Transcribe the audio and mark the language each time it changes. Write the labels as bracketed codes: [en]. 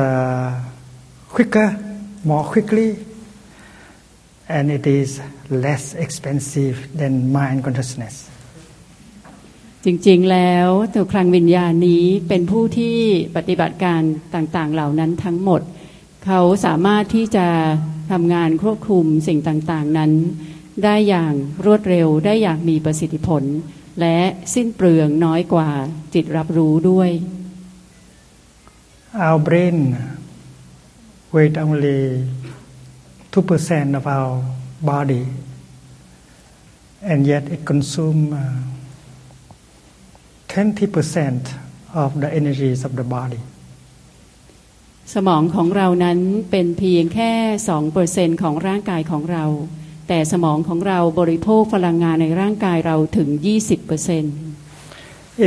[en] It's quicker, more quickly, and it is less expensive than mind consciousness. [th] จริงๆแล้วตัวคลังวิญญาณนี้เป็นผู้ที่ปฏิบัติการต่างๆเหล่านั้นทั้งหมดเขาสามารถที่จะทำงานควบคุมสิ่งต่างๆนั้นได้อย่างรวดเร็วได้อย่างมีประสิทธิผลและสิ้นเปลืองน้อยกว่าจิตรับรู้ด้วย [en] Our brain weighs only 2% of our body and yet it consumes 20% of the energy of the body [th] สมองของเรานั้นเป็นเพียงแค่ 2% ของร่างกายของเราแต่สมองของเราบริโภคพลังงานในร่างกายเราถึง 20%